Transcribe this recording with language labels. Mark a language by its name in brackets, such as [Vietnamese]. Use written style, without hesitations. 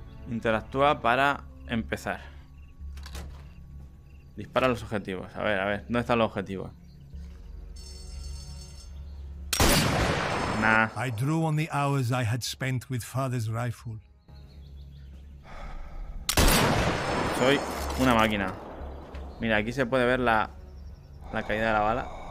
[Spanish] Interactúa para empezar. Dispara los objetivos. A ver, ¿dónde están los objetivos? Nah. [English] I drew on the hours I had spent with father's rifle. [Spanish] Soy una máquina. Mira, aquí se puede ver la caída de la bala.